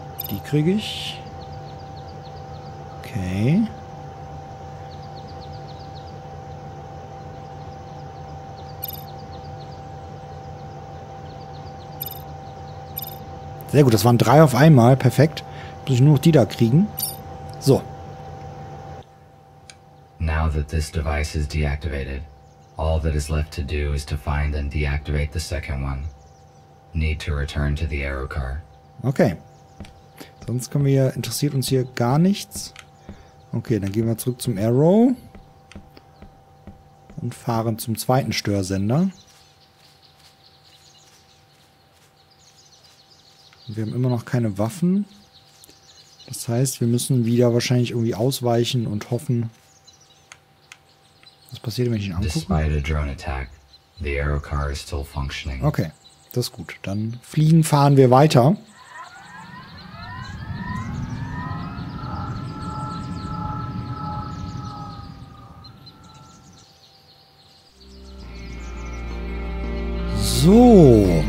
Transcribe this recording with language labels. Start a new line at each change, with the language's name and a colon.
German: Die kriege ich. Okay. Sehr gut, das waren drei auf einmal. Perfekt. Muss ich nur noch die da kriegen. So.
English: Now that this device is deactivated, all that is left to do is to find and deactivate the second one. Need to return to the aero car.
German: Okay. Sonst können wir, interessiert uns hier gar nichts. Okay, dann gehen wir zurück zum Aero und fahren zum zweiten Störsender. Wir haben immer noch keine Waffen. Das heißt, wir müssen wieder wahrscheinlich irgendwie ausweichen und hoffen. Was passiert, wenn ich ihn angucke?
English: Despite a drone attack, the aero car is still functioning.
German: Okay, das ist gut. Dann fliegen, fahren wir weiter. So.